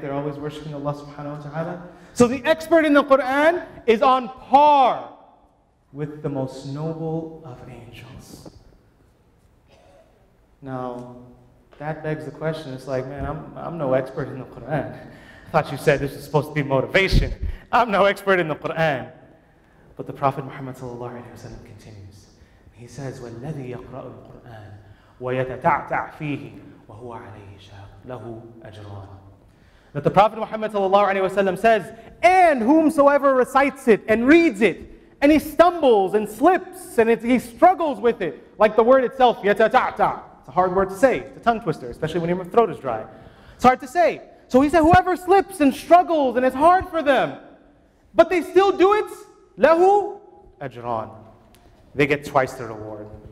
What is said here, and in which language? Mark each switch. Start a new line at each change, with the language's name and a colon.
English: They're always worshiping Allah subhanahu wa ta'ala. So the expert in the Qur'an is on par with the most noble of angels. Now, that begs the question, it's like, man, I'm no expert in the Qur'an. I thought you said this is supposed to be motivation. I'm no expert in the Qur'an. But the Prophet Muhammad sallallahu alaihi wasallam continues. He says,
Arabic: "وَالَّذِي يَقْرَأُ الْقُرْآنَ وَيَتَتَعْتَعْ فِيهِ وَهُوَ عَلَيْهِ شَاقٌ لَهُ أَجْرَانَ."
English: That the Prophet Muhammad sallallahu alaihi wasallam says, "And whomsoever recites it and reads it, and he stumbles and slips and he struggles with it," like the word itself, "يَتَتَعْتَعْ." It's a hard word to say. It's a tongue twister, especially when your throat is dry. It's hard to say. So he said, whoever slips and struggles and it's hard for them, but they still do it, lahu ajran, they get twice the reward.